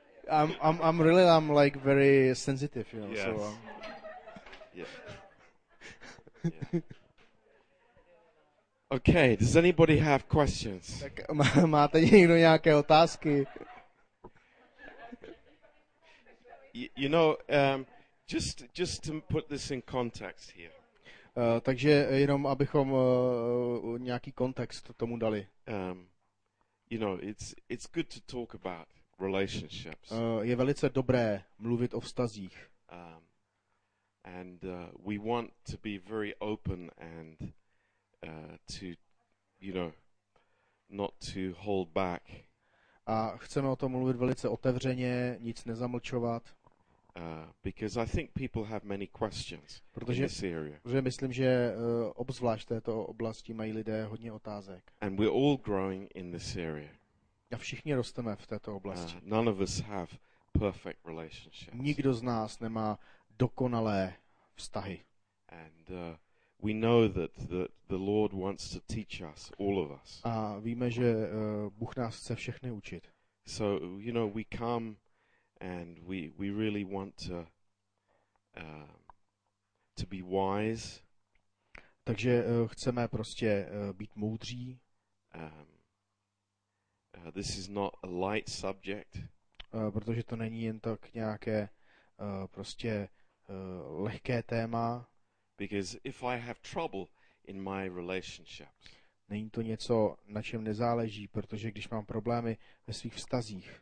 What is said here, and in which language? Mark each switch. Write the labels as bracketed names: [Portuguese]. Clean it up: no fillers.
[English] I'm like very sensitive, you know. Yes. So, yeah. Okay, does anybody have questions? [Czech] Máte někdo nějaké otázky? [English] You know, just to put this in context here. [Czech] Takže jenom abychom nějaký kontext tomu dali. [English] You know, it's good to talk about relationships. [Czech] Je velice dobré mluvit o vztazích. [English] And we want to be very open and to, you know, not to hold back. [Czech] A chceme o tom mluvit velice otevřeně, nic nezamlčovat. [English] Because I think people have many questions. [Czech] Protože [English] in this area. [Czech] Myslím, že obzvlášť této oblasti mají lidé hodně otázek. [English] And we're all growing in this area. [Czech] A všichni rosteme v této oblasti. [English] None of us have perfect relationships. [Czech] Nikdo z nás nemá dokonalé vztahy. [English] And we know that the Lord wants to teach us, all of us. [Czech] A víme, že Bůh nás chce všechny učit. [English] So, you know, we come and we really want to be wise. [Czech] Takže chceme prostě být moudří. [English] This is not a light subject. [Czech] Protože to není jen tak nějaké prostě lehké téma. [English] Because if I have trouble in my relationships. [Czech] Není to něco, na čem nezáleží, protože když mám problémy ve svých vztazích.